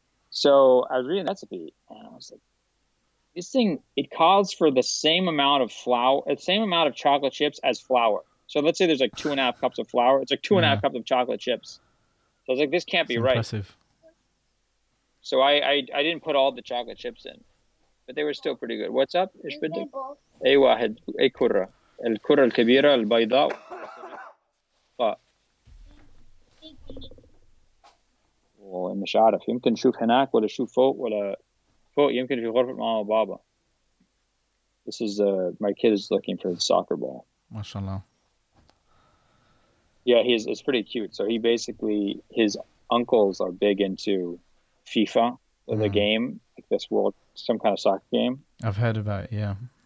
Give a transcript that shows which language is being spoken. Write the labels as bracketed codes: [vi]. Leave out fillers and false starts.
[en] So I was reading the recipe and I was like, this thing, it calls for the same amount of flour, the same amount of chocolate chips as flour. So let's say there's like 2.5 cups of flour. It's like 2.5 cups of chocolate chips. So I was like, this can't be right. Impressive. So I didn't put all the chocolate chips in, but they were still pretty good. What's up? Is that both? [ar] ايوه اي كرة الكرة الكبيرة البيضاء والمتوسطة الصفراء ومش عارف يمكن نشوف هناك ولا شوف فوق ولا فوق يمكن في غرفة ماما وبابا. [en] This is my kid is looking for the soccer ball. [ar] ما شاء الله. [en] Yeah, it's pretty cute. So he basically his uncles are big into FIFA, the game, like this world, some kind of soccer game. I've heard about it, yeah.